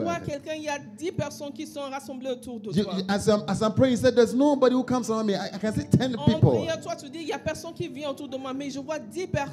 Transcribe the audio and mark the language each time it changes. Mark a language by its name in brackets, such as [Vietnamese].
[French] Vois quelqu'un. Il y a 10 personnes qui sont rassemblées autour de [English] you, [French] toi. [English] As I'm praying, he said, "There's nobody who comes around me." I can see 10 en people. [French] En priant, toi, tu dis, il y a personne qui vient autour de moi, mais je vois 10 personnes.